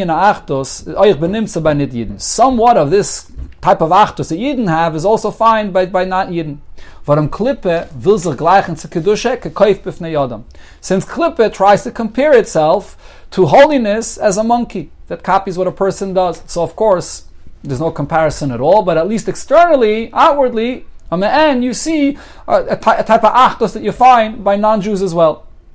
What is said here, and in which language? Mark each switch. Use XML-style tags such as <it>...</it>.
<en>Somewhat of this type of Achtos that Yidden have is also fine by not Yidden.</en> <yi>Warum Klippe will sich gleichen zu Kedusha,</yi> <he>kekoif bifnei Yodam.</he> <en>Since Klippe tries to compare itself to holiness as a monkey that copies what a person does. So of course, there's no comparison at all, but at least externally, outwardly, on the end, you see a type of achdos that you find by non-Jews as well.</en>